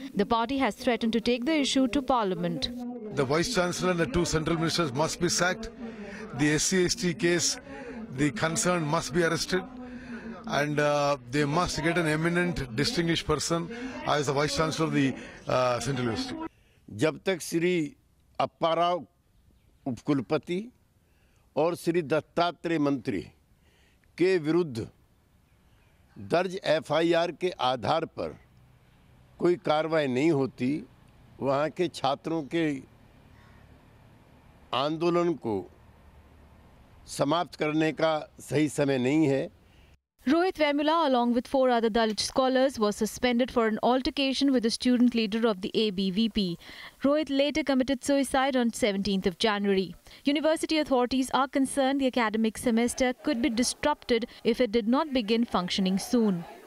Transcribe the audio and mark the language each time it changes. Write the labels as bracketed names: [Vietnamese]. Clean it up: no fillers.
[English] The party has threatened to take the issue to Parliament. The Vice Chancellor and the 2 central ministers must be sacked. The SCST case, the concerned must be arrested. And they must get an eminent, distinguished person as the Vice Chancellor of the central ministry. [Hindi] Jab tak Sri Appa Rao Upkulpati और श्री दत्तात्रेय मंत्री के विरुद्ध दर्ज FIR के आधार पर कोई कार्रवाई नहीं होती वहां के छात्रों के आंदोलन को समाप्त करने का सही समय नहीं है. [English] Rohit Vemula, along with 4 other Dalit scholars, was suspended for an altercation with the student leader of the ABVP. Rohit later committed suicide on 17th of January. University authorities are concerned the academic semester could be disrupted if it did not begin functioning soon.